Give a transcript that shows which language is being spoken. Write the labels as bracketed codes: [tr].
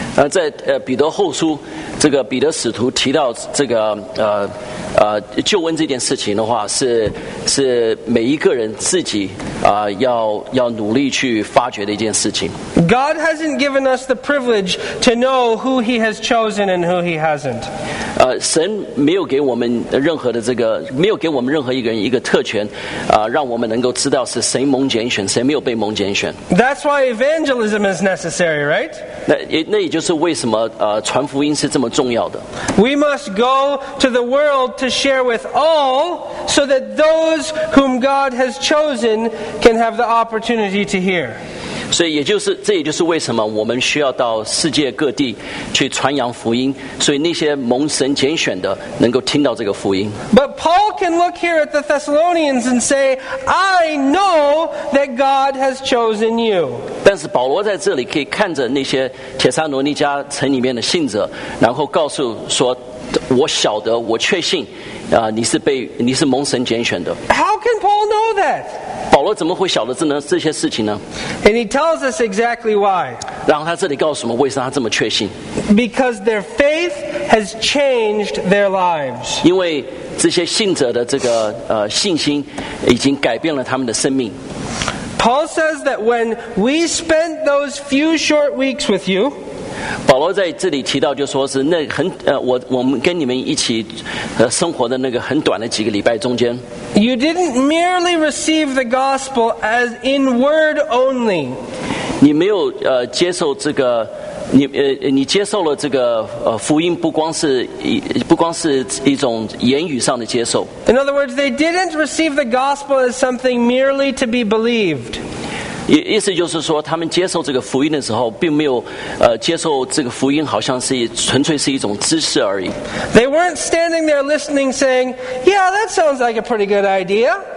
[zh] 在彼得后书，这个彼得使徒提到这个救恩这件事情的话，是每一个人自己要努力去发掘的一件事情。 [en] God hasn't given us the privilege to know who He has chosen and who He hasn't. [zh] 神没有给我们任何的这个，没有给我们任何一个人一个特权，让我们能够知道是谁蒙拣选，谁没有被蒙拣选。 [en] That's why evangelism is necessary, right? [zh] 那也就是为什么传福音是这么重要的。 [en] We must go to the world. To share with all, so that those whom God has chosen can have the opportunity to hear. [zh] 所以也就是这也就是为什么我们需要到世界各地去传扬福音，所以那些蒙神拣选的能够听到这个福音。 [en] But Paul can look here at the Thessalonians and say, "I know that God has chosen you." [zh] 但是保罗在这里可以看着那些帖撒罗尼迦城里面的信者，然后告诉说。我晓得，我确信，你是蒙神拣选的。 [en] How can Paul know that? [zh] 保罗怎么会晓得这些事情呢？ [en] And he tells us exactly why. [zh] 然后他这里告诉我们为什么他这么确信。 [en] Because their faith has changed their lives. [zh] 因为这些信者的这个信心已经改变了他们的生命。 [en] Paul says that when we spent those few short weeks with you, [zh] 保罗在这里提到，就是说是那很我们跟你们一起生活的那个很短的几个礼拜中间。 [en] You didn't merely receive the gospel as in word only. [zh] 你没有接受这个，你接受了这个福音，不光是一种言语上的接受。 [en] In other words, they didn't receive the gospel as something merely to be believed. [zh] 意思就是说，他们接受这个福音的时候，并没有接受这个福音，好像是纯粹是一种知识而已。 [en] They weren't standing there listening, saying, "Yeah, that sounds like a pretty good idea."